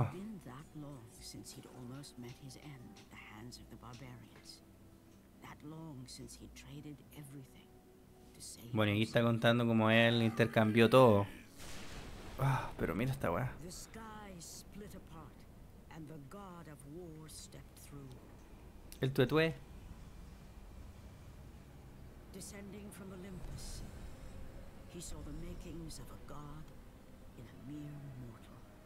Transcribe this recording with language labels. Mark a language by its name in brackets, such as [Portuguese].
[English] Had been that long since he'd almost met his end at the hands of the barbarians. That long since he'd traded everything to save. [Spanish] Bueno, aquí está contando cómo él intercambió todo. Oh, pero mira esta weá. [English] The sky split apart and the god of war stepped through. [Spanish] El tuetué. [English] Descending from Olympus, he saw the makings of a god in a mere mortal.